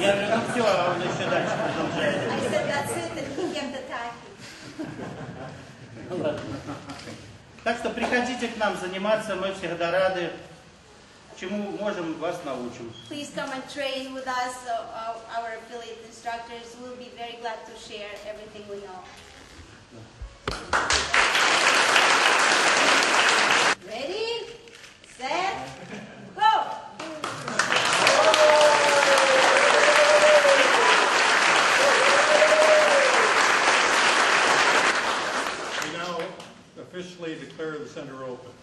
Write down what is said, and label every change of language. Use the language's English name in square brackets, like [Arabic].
[Russian] Я же, ну все, а он еще дальше продолжает. [English] I said that's it, and he kept attacking. [Russian] Ладно. Так что приходите к нам заниматься, мы всегда рады. Чему можем, вас научим. [English] Please come and train with us. Our affiliate instructors will be very glad to share everything we know. Ready? Set? We now officially declare the center open.